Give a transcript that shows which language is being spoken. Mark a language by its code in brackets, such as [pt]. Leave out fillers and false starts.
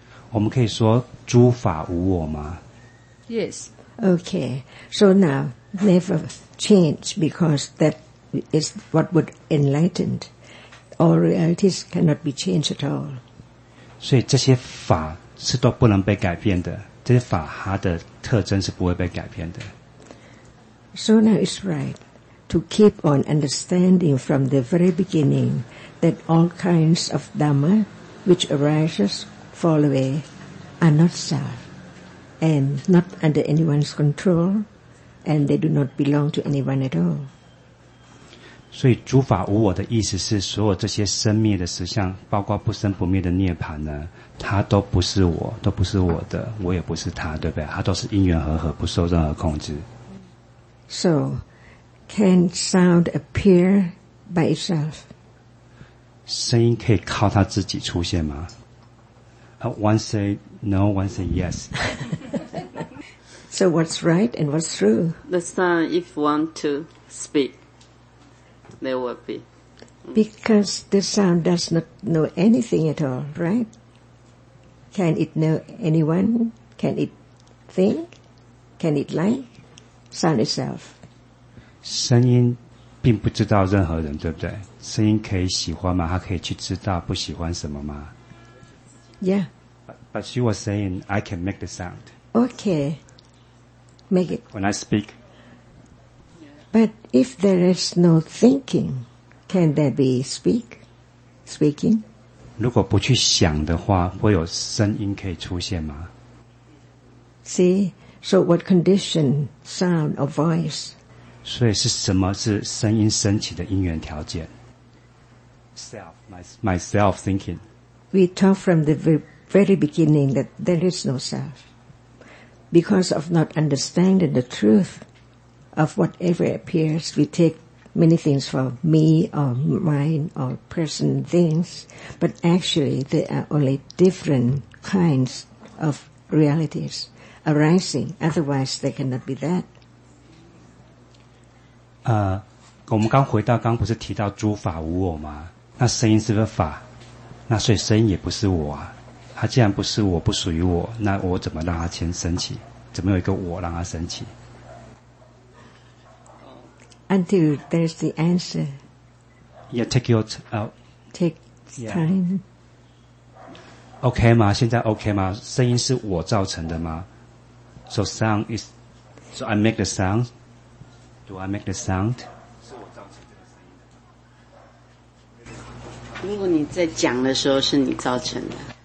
[zh] 我们可以说诸法无我吗？ [en] Yes. Okay. So now, never change because that is what would enlighten. All realities cannot be changed at all. [zh] 所以这些法是都不能被改变的，这些法它的特征是不会被改变的。 [en] So now it's right to keep on understanding from the very beginning that all kinds of Dhamma which arises, fall away, are not self, and not under anyone's control, and they do not belong to anyone at all. [zh] 所以诸法无我的意思是所有这些生灭的实相包括不生不灭的涅槃呢，它都不是我，都不是我的，我也不是它，对不对？它都是因缘和合，不受任何控制。 [en] So can sound appear by itself? [zh] 声音可以靠它自己出现吗？ [en] One say no, one say yes. So what's right and what's true? The sound if want to speakThere will be. Because the sound does not know anything at all, right? Can it know anyone? Can it think? Can it like? Sound itself. [zh] 声音并不知道任何人，对不对？声音可以喜欢吗？它可以去知道不喜欢什么吗？ [en] Yeah. But she was saying, I can make the sound. Okay. Make it. When I speak. But if there is no thinking, can there be speaking? [zh] 如果不去想的话，会有声音可以出现吗？ [en] See, so what condition sound or voice? [zh] 所以是什么是声音升起的因缘条件？ [en] Self, myself thinking. We talk from the very beginning that there is no self. Because of not understanding the truth,of whatever appears, we take many things for me or mine or person things, but actually there are only different kinds of realities arising, otherwise they cannot be that. [zh] 我们刚回到刚不是提到诸法无我吗？那声音是不是法？那所以声音也不是我啊。它既然不是我，不属于我，那我怎么让它先升起？怎么有一个我让它升起？ [en] Until there's the answer. Yeah, take your time. Take time. [zh] Okay, 吗？现在 okay, 吗？声音是我造成的吗？ [en] So sound is, so I make the sound? Do I make the sound? So [zh] 如果你在讲的时候是你造成的。